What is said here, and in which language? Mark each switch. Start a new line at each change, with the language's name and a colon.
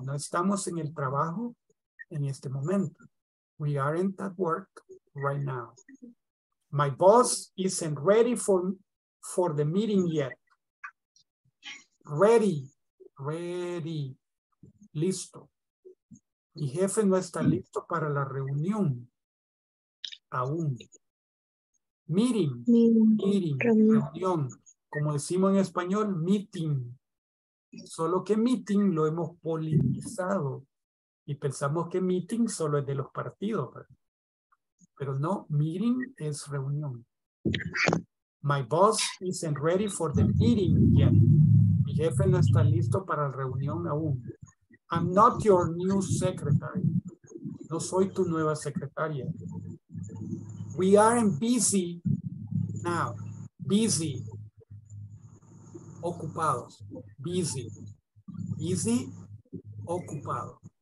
Spanish: No estamos en el trabajo en este momento.
English: We aren't at work right now. My boss isn't ready for the meeting yet. Ready, ready, listo.
Spanish: Mi jefe no está listo para la reunión aún. Meeting, meeting, reunión. Como decimos en español, meeting. Solo que meeting lo hemos politizado y pensamos que meeting solo es de los partidos. Pero no, meeting es reunión.
English: My boss isn't ready for the meeting yet.
Spanish: Mi jefe no está listo para la reunión aún.
English: I'm not your new secretary.
Spanish: No soy tu nueva secretaria.
English: We aren't busy now. Busy. Ocupados. Busy. Busy. Ocupado.